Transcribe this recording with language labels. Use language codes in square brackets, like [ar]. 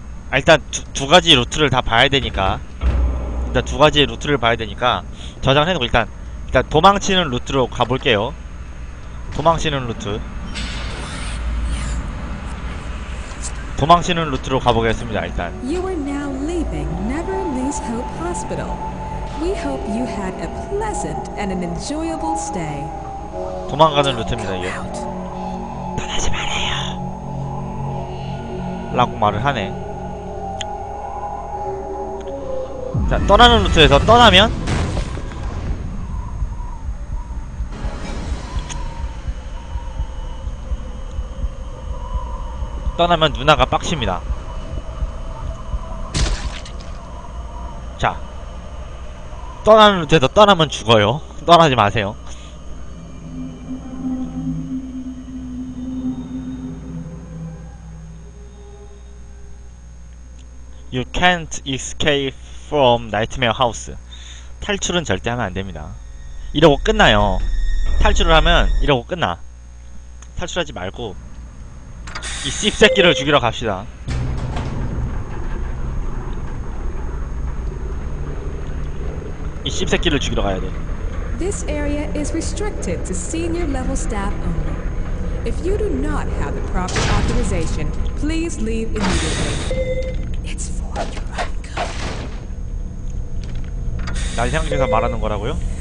[ko] 아, 일단 두 가지 루트를 다 봐야 되니까. 일단 두 가지 루트를 봐야 되니까 저장해놓고 일단 도망치는 루트로 가볼게요. 도망치는 루트. 도망치는 루트로 가보겠습니다. 일단. [en] You are now leaving Never Lose Hope Hospital. We hope you had a pleasant and an enjoyable stay. [ko] 도망가는 루트입니다. 이게. 떠나지 말아요. 라고 말을 하네. 자, 떠나는 루트에서 떠나면. 떠나면 누나가 빡칩니다. 자, 떠나는 데서 떠나면 죽어요. 떠나지 마세요. [en] 'You can't escape from Nightmare House.' [ko] 탈출은 절대 하면 안 됩니다. 이러고 끝나요. 탈출을 하면 이러고 끝나. 탈출하지 말고 이 씹새끼를 죽이러 갑시다. 이 씹새끼를 죽이러 가야 돼. [en] This area is restricted to senior level staff only. If you do not have the proper authorization, please leave immediately. It's for your own good. [ko] 날 향해서 말하는 거라고요?